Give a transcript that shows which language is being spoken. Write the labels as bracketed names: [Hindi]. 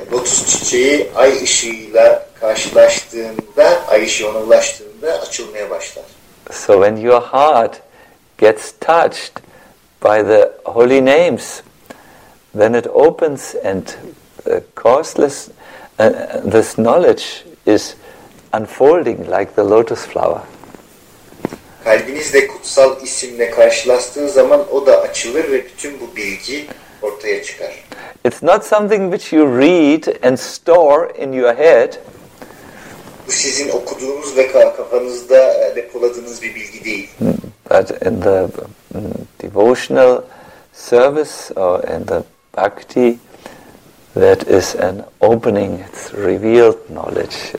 [Turkish] Lotus çiçeği ay ışığıyla karşılaştığında, ay ışığı ona ulaştığında açılmaya başlar. [English] So when your heart gets touched by the holy names, then it opens and causeless this knowledge is unfolding like the lotus flower. [Turkish] Kalbinizde kutsal isimle karşılaştığınız zaman o da açılır ve bütün bu bilgi ortaya çıkar. [English] It's not something which you read and store in your head. [Turkish] Bu sizin okuduğunuz ve kafanızda depoladığınız bir bilgi değil. [English] But in the devotional service or in the bhakti, that is an opening, it's revealed knowledge.